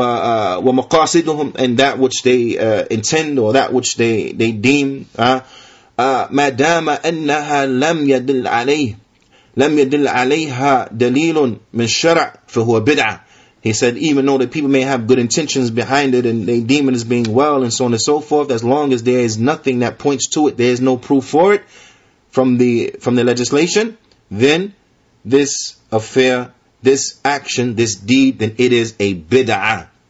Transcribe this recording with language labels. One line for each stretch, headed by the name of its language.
Arabic: ومقاصدهم,
English: and that which they intend or that which they deem.
Arabic: ما دام أنها لم يدل عليه. لم يدل عليها دليل من شرع فهو بدعة.
English: He said, even though the people may have good intentions behind it and they deem it as being well and so on and so forth, as long as there is nothing that points to it, there is no proof for it from the legislation, then this affair, this action, this deed, then it is a bid'ah.